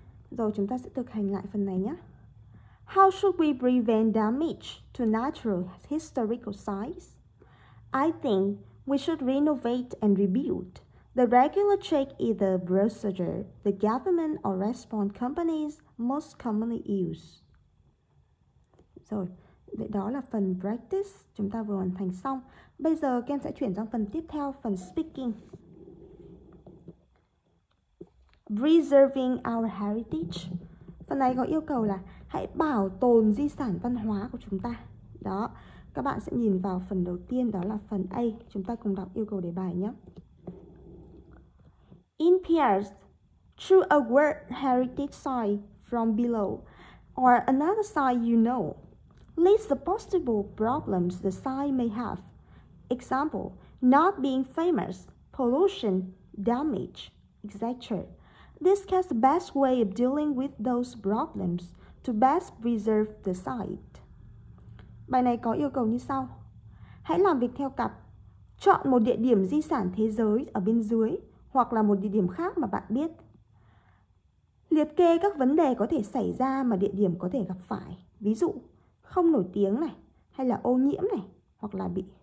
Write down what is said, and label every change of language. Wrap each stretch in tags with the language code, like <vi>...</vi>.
<vi>Rồi chúng ta sẽ thực hành lại phần này nhé.</vi> <en>How should we prevent damage to natural historical sites? I think we should renovate and rebuild. The regular check is the procedure the government or restaurant companies most commonly use.</en> <vi>Rồi, vậy đó là phần practice chúng ta vừa hoàn thành xong. Bây giờ Ken sẽ chuyển sang phần tiếp theo, phần speaking.</vi> <en>Preserving our heritage.</en> <vi>Phần này có yêu cầu là hãy bảo tồn di sản văn hóa của chúng ta. Đó, các bạn sẽ nhìn vào phần đầu tiên, đó là phần A. Chúng ta cùng đọc yêu cầu đề bài nhé.</vi> <en>In pairs, choose a World Heritage site from below or another site you know. List the possible problems the site may have. Example, not being famous, pollution, damage, etc. Discuss the best way of dealing with those problems to best preserve the site.</en> <vi>Bài này có yêu cầu như sau. Hãy làm việc theo cặp. Chọn một địa điểm di sản thế giới ở bên dưới hoặc là một địa điểm khác mà bạn biết. Liệt kê các vấn đề có thể xảy ra mà địa điểm có thể gặp phải. Ví dụ, không nổi tiếng này, hay là ô nhiễm này, hoặc là bị</vi>